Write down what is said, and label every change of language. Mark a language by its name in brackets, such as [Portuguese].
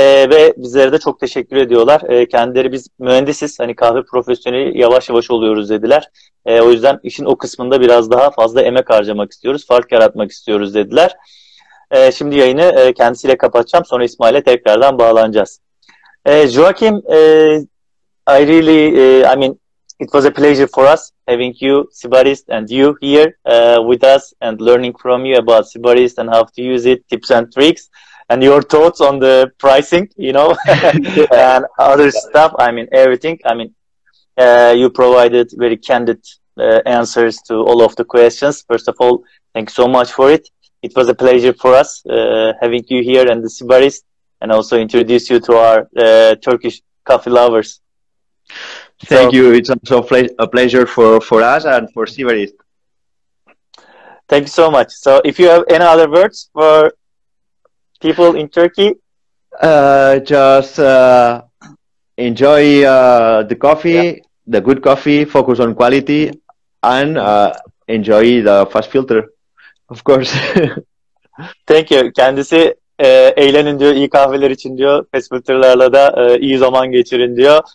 [Turkish] Ve bizlere de çok teşekkür ediyorlar. Kendileri biz mühendisiz, hani kahve profesyoneli yavaş yavaş oluyoruz dediler. O yüzden işin o kısmında biraz daha fazla emek harcamak istiyoruz, fark yaratmak istiyoruz dediler. Şimdi yayını kendisiyle kapatacağım, sonra İsmail'e tekrardan bağlanacağız. [English] Joaquim, it was a pleasure for us having you, Sibarist, and you here with us and learning from you about Sibarist and how to use it, tips and tricks. And your thoughts on the pricing, you know, and other stuff. I mean, everything. I mean, you provided very candid answers to all of the questions. First of all, thanks so much for it. It was a pleasure for us having you here and the Sibarist, and also introduce you to our Turkish coffee lovers. Thank you. It's also a pleasure for us and for Sibarist. Thank you so much. So if you have any other words for people in Turkey, just enjoy the coffee, the good coffee, focus on quality, and enjoy the fast filter, of course. Thank you. [Turkish] Kendisi eğlenin diyor, iyi kahveler için diyor, fast filterlarla da iyi zaman geçirin diyor.